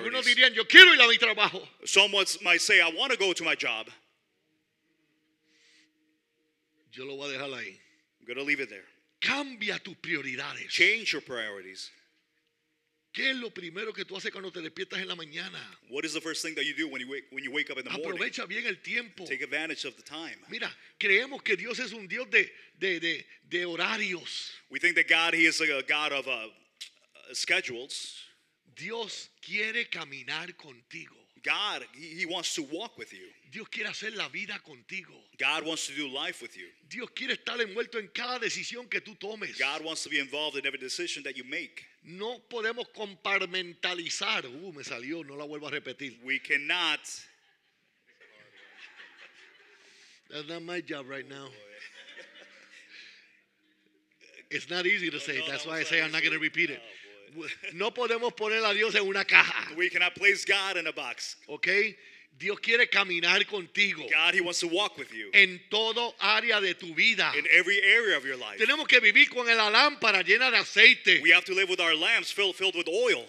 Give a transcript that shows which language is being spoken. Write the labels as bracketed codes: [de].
[es] Algunos dirían, yo quiero ir a mi trabajo. [en] Some might say, I want to go to my job. [es] Yo lo voy a dejar ahí. [en] I'm going to leave it there. [es] Cambia tus prioridades. [en] Change your priorities. [es] ¿Qué es lo primero que tú haces cuando te despiertas en la mañana? [en] What is the first thing that you do when you wake up in the morning? [es] Aprovecha bien el tiempo. [en] Take advantage of the time. [es] Mira, creemos que Dios es un Dios de horarios. [en] We think that God, he is a God of schedules. [es] Dios quiere caminar contigo. [en] God, he wants to walk with you. [es] Dios quiere hacer la vida contigo. [en] God wants to do life with you. [es] Dios quiere estar envuelto en cada decisión que tú tomes. [en] God wants to be involved in every decision that you make. [es] No podemos compartmentalizar. Me salió, no la vuelvo a repetir. [en] We cannot. That's not my job right now. It's not easy to say. That's why I say I'm not going to repeat it. [es] No podemos poner a Dios en una caja. [en] We cannot place God in a box. [es] Okay? Dios quiere caminar contigo. [en] God, he wants to walk with you. [es] En todo área de tu vida. [en] In every area of your life. [es] Tenemos que vivir con la lámpara llena de aceite. [en] We have to live with our lamps filled with oil.